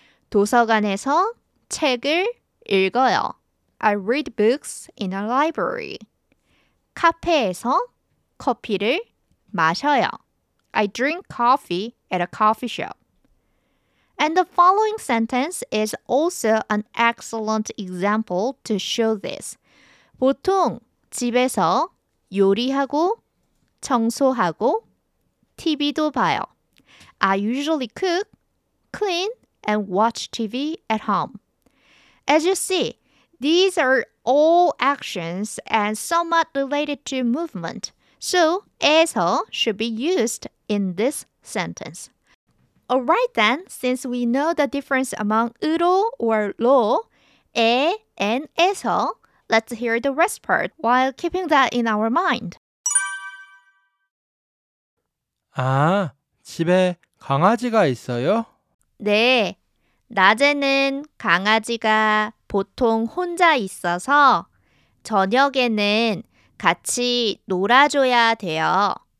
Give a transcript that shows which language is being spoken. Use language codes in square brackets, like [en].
[ko] 도서관에서 책을 읽어요. [en] I read books in a library. [ko] 카페에서 커피를 마셔요. [en] I drink coffee at a coffee shop. And the following sentence is also an excellent example to show this. [ko] 보통 집에서 요리하고 청소하고 TV도 봐요. [en] I usually cook, clean, and watch TV at home. As you see, these are all actions and somewhat related to movement. So, 에서 should be used in this sentence. Alright then, since we know the difference among 으로 or 로, 에 and 에서, let's hear the rest part while keeping that in our mind. [ko] 아, 집에 강아지가 있어요? 네, 낮에는 강아지가 보통 혼자 있어서 저녁에는 같이 놀아줘야 돼요.